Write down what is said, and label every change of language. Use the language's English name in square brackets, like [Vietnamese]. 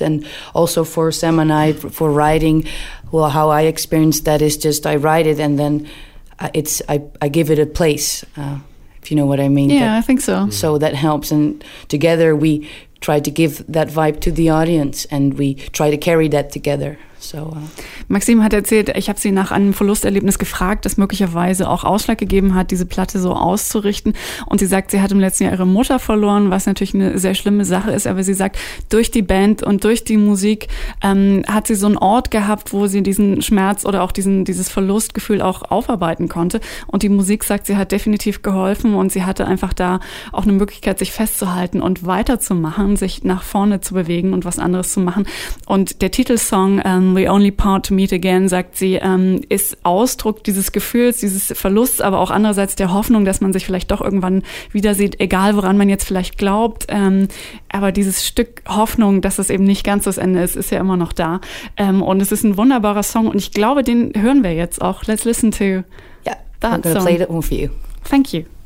[English] And also for Sam and I, for writing, well, how I experienced that is just I write it and then I give it a place, if you know what I mean. Yeah, I think so. So that helps. And together we try to give that vibe to the audience and we try to carry that together. So, [German] Maxim hat erzählt, ich habe sie nach einem Verlusterlebnis gefragt, das möglicherweise auch Ausschlag gegeben hat, diese Platte so auszurichten. Und sie sagt, sie hat im letzten Jahr ihre Mutter verloren, was natürlich eine sehr schlimme Sache ist. Aber sie sagt, durch die Band und durch die Musik hat sie so einen Ort gehabt, wo sie diesen Schmerz oder auch dieses Verlustgefühl auch aufarbeiten konnte. Und die Musik, sagt sie, hat definitiv geholfen und sie hatte einfach da auch eine Möglichkeit, sich festzuhalten und weiterzumachen, sich nach vorne zu bewegen und was anderes zu machen. Und der Titelsong We Only Part to Meet Again, sagt sie, ist Ausdruck dieses Gefühls, dieses Verlusts, aber auch andererseits der Hoffnung, dass man sich vielleicht doch irgendwann wieder sieht, egal woran man jetzt vielleicht glaubt. Aber dieses Stück Hoffnung, dass es eben nicht ganz das Ende ist, ist ja immer noch da. Und es ist ein wunderbarer Song und ich glaube, den hören wir jetzt auch. [English] Let's listen to that song. I'm gonna play that one for you. Thank you.